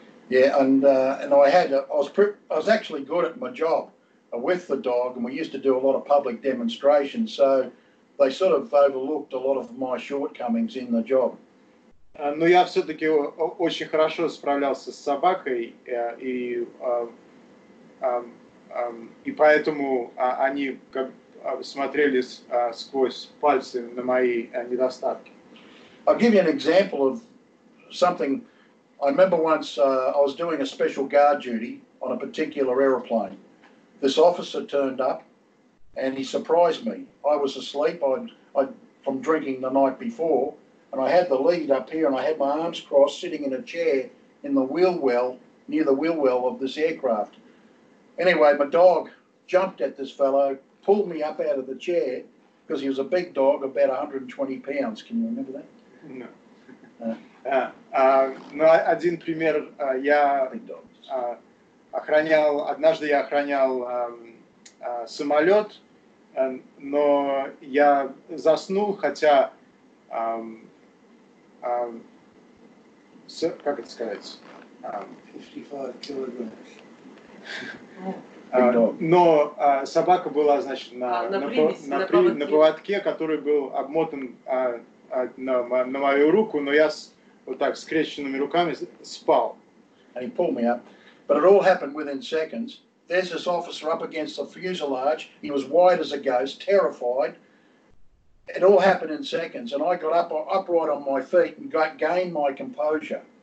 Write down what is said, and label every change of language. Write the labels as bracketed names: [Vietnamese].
[English] Yeah, and I had I was actually good at my job with the dog, and we used to do a lot of public demonstrations, so they sort of overlooked a lot of my shortcomings in the job. [Russian] Но я все-таки очень хорошо справлялся с собакой, и поэтому они как смотрели сквозь пальцы на мои недостатки. [English] I'll give you an example of something. I remember once I was doing a special guard duty on a particular aeroplane. This officer turned up and he surprised me. I was asleep I'd from drinking the night before, and I had the lead up here and I had my arms crossed sitting in a chair in the wheel well, near the wheel well of this aircraft. Anyway, my dog jumped at this fellow, pulled me up out of the chair because he was a big dog, about 120 pounds. Can you remember that? [Russian] Но один пример, я охранял самолет, но я заснул, хотя, как это сказать, 55 килограмм. Но собака была, значит, на поводке, который был обмотан на мою руку, но я вот так скрещенными руками спал. [English] And he pulled me up, but it all happened within seconds. There's this officer up against the fuselage. He was white as a ghost, terrified. It all happened in seconds, and I got up upright on my feet and gained my composure.